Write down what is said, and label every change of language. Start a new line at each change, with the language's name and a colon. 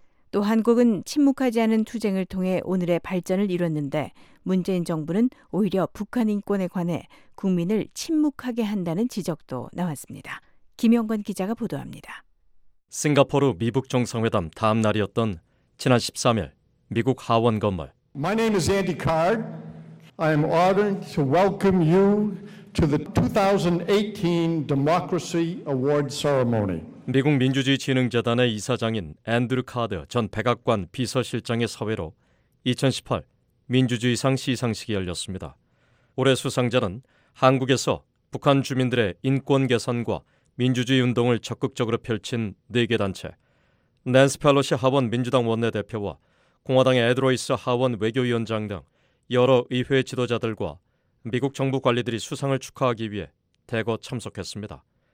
Korean: 또 한국은 침묵하지 않은 투쟁을 통해 오늘의 발전을 이뤘는데 문재인 정부는 오히려 북한 인권에 관해 국민을 침묵하게 한다는 지적도 나왔습니다. 김영건 기자가 보도합니다. 싱가포르 미국 정상회담 다음 날이었던 지난 13일 미국 하원 건물.
English: My name is Andy Card. I am honored to welcome you to the 2018 Democracy Award Ceremony.
Korean: 미국 민주주의 진흥재단의 이사장인 앤드류 카드 전 백악관 비서실장의 서외로 2018 민주주의상 시상식이 열렸습니다. 올해 수상자는 한국에서 북한 주민들의 인권 개선과 민주주의 운동을 적극적으로 펼친 네 개 단체, 낸스 펠로시 하원 민주당 원내대표와 공화당의 에드로이스 하원 외교위원장 등 여러 의회 지도자들과 미국 정부 관리들이 수상을 축하하기 위해 대거 참석했습니다.